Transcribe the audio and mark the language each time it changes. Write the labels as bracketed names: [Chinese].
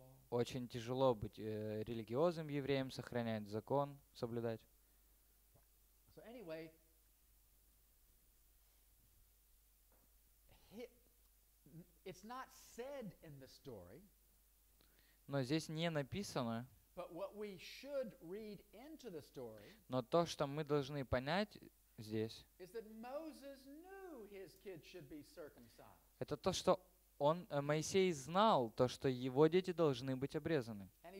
[Russian] Очень тяжело быть религиозным евреем, сохранять закон, соблюдать. [English] So anyway, it's not said in the story, [Russian] но здесь не написано. [English] But what we should read into the story, [Russian] но то, что мы должны понять здесь, [English] is that Moses knew his kids should be circumcised. [Russian] Это то, что Он, Моисей, знал то, что его дети должны быть обрезаны.